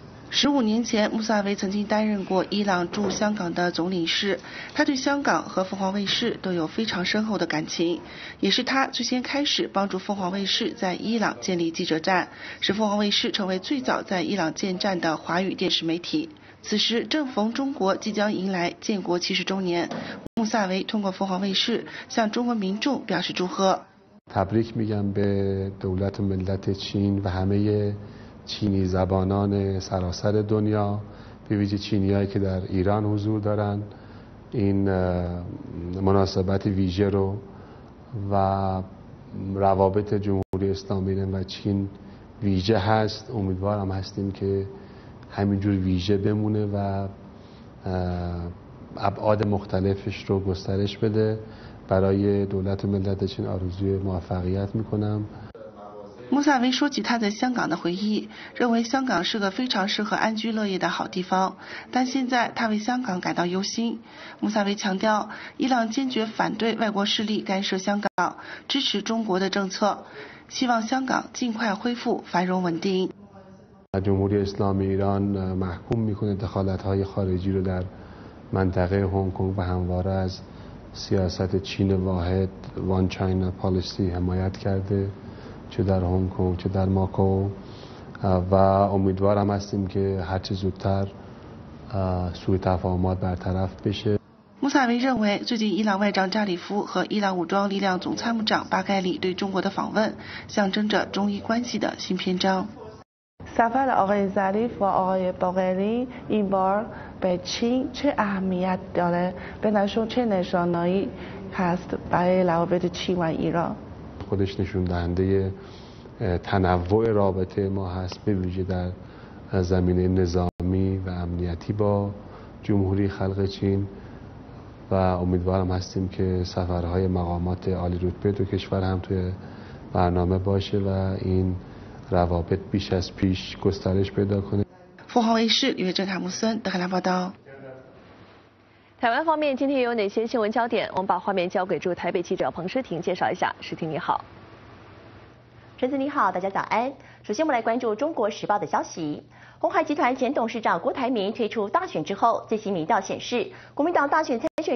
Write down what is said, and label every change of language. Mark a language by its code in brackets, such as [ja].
[zh] 15年前，穆萨维曾经担任过伊朗驻香港的总领事，他对香港和凤凰卫视都有非常深厚的感情，也是他最先开始帮助凤凰卫视在伊朗建立记者站，使凤凰卫视成为最早在伊朗建站的华语电视媒体。此时正逢中国即将迎来建国70周年，穆萨维通过凤凰卫视向中国民众表示祝贺。 [fa] تبریک میگم به دولت ملت چین و همه چینی زبانان سراسر دنیا، به ویژه چینیایی که در ایران حضور دارن، این مناسبت ویژه رو و روابط جمهوری اسلامی ایران و چین ویژه هست. امیدوارم هستیم که همینجور ویژه بمونه و ابعاد مختلفش رو گسترش بده. برای دولت و ملت چین آرزوی موفقیت میکنم. [zh] 穆萨维说起他在香港的回忆，认为香港是个非常适合安居乐业的好地方，但现在他为香港感到忧心。穆萨维强调，伊朗坚决反对外国势力干涉香港，支持中国的政策，希望香港尽快恢复繁荣稳定。 [fa] جمهوری اسلامی ایران محکوم میکنه دخالت‌های خارجی رو در منطقه هنگ کنگ و همواره از سیاست چین واحد [en] One China Policy [fa] حمایت کرده، چه در هنگ کنگ چه در ماکو، و امیدوارم هستیم که هرچه زودتر سوء تفاهمات برطرف بشه. [zh] 穆萨维认为，最近伊朗外长扎里夫和伊朗武装力量总参谋长巴盖里对中国的访问，象征着中伊关系的新篇章。 [fa] سفر آقای ظریف و آقای باقری این بار به چین چه اهمیت داره؟ به نشون چه نشانهایی هست برای روابط چین و ایران؟ خودش نشون دهنده تنوع رابطه ما هست، به ویژه در زمینه نظامی و امنیتی با جمهوری خلق چین، و امیدوارم هستیم که سفرهای مقامات عالی رتبه دو کشور هم توی برنامه باشه و این روابط بیش از پیش گسترش پیدا کنه. فوهان ویشی یو جن کا مو سن ده لان باداو. [zh] 台湾方面今天有哪些新闻焦点，我们把画面交给驻台北记者彭诗婷介绍一下。诗婷你好。陈子你好，大家早安。首先我们来关注中国时报的消息。鸿海集团前董事长郭台铭退出大选之后，最新民调显示，国民党大选参选